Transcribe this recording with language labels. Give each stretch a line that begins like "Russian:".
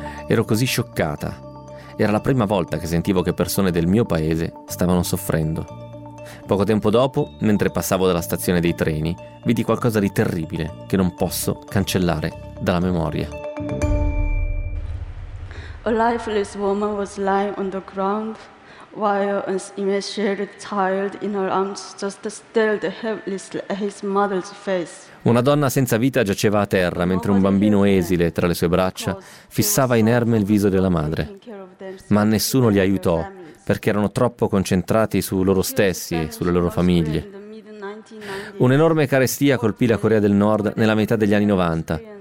Italian: Ero così scioccata. Era la prima volta che sentivo che persone del mio paese stavano soffrendo. Poco tempo dopo, mentre passavo dalla stazione dei treni, vidi qualcosa di terribile che non posso cancellare dalla memoria.
English: A lifeless woman was lying on the ground, while an emaciated child in her arms just stared helplessly at his mother's face.
Italian: Una donna senza vita giaceva a terra mentre un bambino esile tra le sue braccia fissava inerme il viso della madre. Ma nessuno li aiutò perché erano troppo concentrati su loro stessi e sulle loro famiglie. Un'enorme carestia colpì la Corea del Nord nella metà degli anni 90.